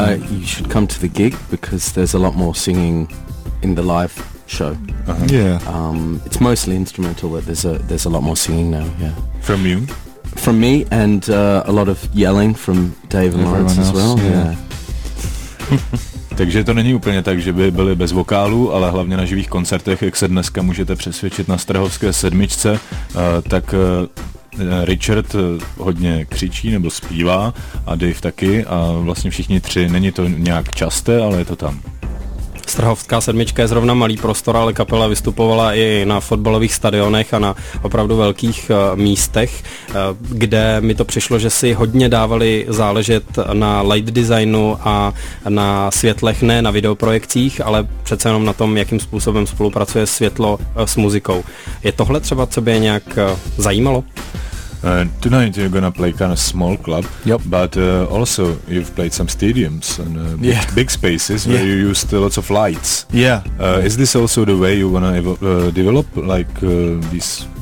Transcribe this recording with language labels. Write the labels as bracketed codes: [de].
[en] You should come to the gig, because there's a lot more singing in the live show. Uh-huh. Yeah. It's mostly instrumental, but there's a lot more singing now, yeah. From you? From me, and a lot of yelling from Dave and Everyone Lawrence as well. Else, yeah. [cs] Takže to není úplně tak, že by byli bez vokálů, ale hlavně na živých koncertech, jak se dneska můžete přesvědčit na Strahovské sedmičce, tak Richard hodně křičí nebo zpívá, a Dave taky, a vlastně všichni tři. Není to nějak časté, ale je to tam. Strahovská sedmička je zrovna malý prostor, ale kapela vystupovala i na fotbalových stadionech a na opravdu velkých místech, kde mi to přišlo, že si hodně dávali záležet na light designu a na světlech, ne na videoprojekcích, ale přece jenom na tom, jakým způsobem spolupracuje světlo s muzikou. Je tohle třeba, co by je nějak zajímalo? [en] Tonight you're gonna play kind of small club, yep. But also you've played some stadiums and big spaces where you used lots of lights. Yeah. Is this also the way you wanna develop, like this?